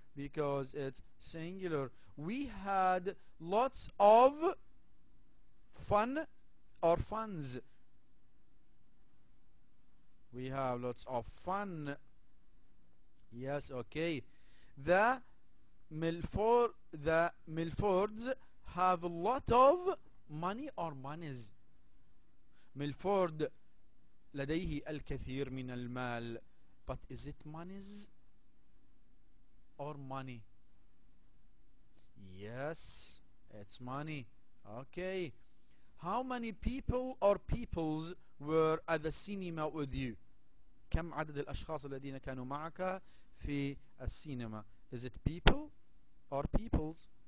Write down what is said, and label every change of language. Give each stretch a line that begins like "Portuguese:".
English: Because it's singular. We had lots of fun or funds. We have lots of fun. Yes, okay. The Milfords have a lot of money or monies.
Arabic: Milford لديه الكثير من المال.
English: But is it monies or money? Yes, it's money. Okay. How many people or peoples were at the cinema with you?
Arabic: كم عدد الأشخاص الذين كانوا معك في السينما؟
English: Is it people or peoples?